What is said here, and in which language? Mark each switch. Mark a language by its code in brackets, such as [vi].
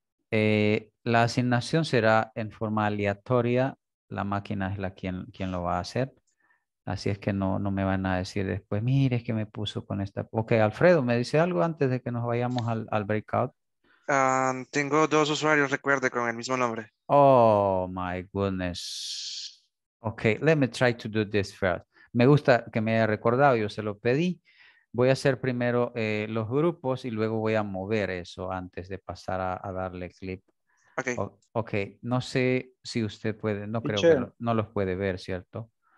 [es] La asignación será en forma aleatoria. La máquina es la quien lo va a hacer. Así es que no me van a decir después, mire, es que me puso con esta. Ok, Alfredo, ¿me dice algo antes de que nos vayamos al breakout? Tengo dos usuarios, recuerde, con el mismo nombre. [en] Oh, my goodness. Ok, let me try to do this first. [es] Me gusta que me haya recordado, yo se lo pedí. Voy a hacer primero los grupos y luego voy a mover eso antes de pasar a darle clip. Ok. Ok, no sé si usted puede, no creo que no los puede ver, ¿cierto?